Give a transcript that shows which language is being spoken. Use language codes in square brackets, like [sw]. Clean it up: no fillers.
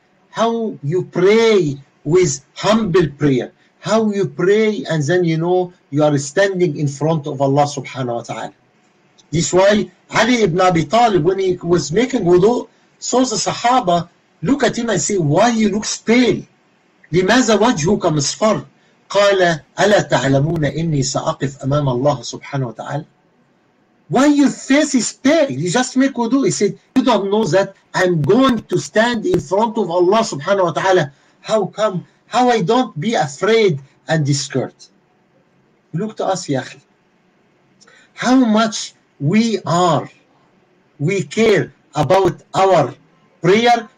[en] How you pray with humble prayer. How you pray and then you know you are standing in front of Allah subhanahu wa ta'ala. This is why Ali ibn Abi Talib, when he was making wudu, saw the Sahaba look at him and say, why you look pale? [ar] لماذا وجهك مصفر؟ قال ألا تعلمون إني سأقف أمام الله سبحانه wa ta'ala. [en] Why your face is pale? You just make wudu. He said, you don't know that I'm going to stand in front of Allah subhanahu wa ta'ala. How come? How I don't be afraid and scared? Look to us, Yahi. How much we care about our prayer